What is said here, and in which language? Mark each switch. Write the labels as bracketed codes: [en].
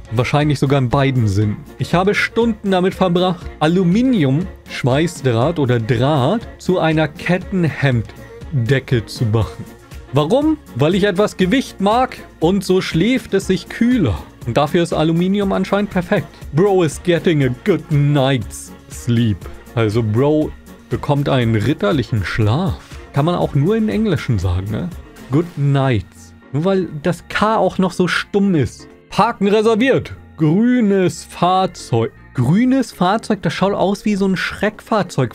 [de] Wahrscheinlich sogar in beiden Sinnen. Ich habe Stunden damit verbracht, Aluminium, Schweißdraht oder Draht zu einer Kettenhemddecke zu machen. Warum? Weil ich etwas Gewicht mag und so schläft es sich kühler. Und dafür ist Aluminium anscheinend perfekt. [en] Bro is getting a good night's sleep. [de] Also Bro bekommt einen ritterlichen Schlaf. Kann man auch nur in Englischen sagen, ne? [en] Good nights. [de] Nur weil das K auch noch so stumm ist. Parken reserviert. Grünes Fahrzeug. Grünes Fahrzeug, das schaut aus wie so ein Schreckfahrzeug.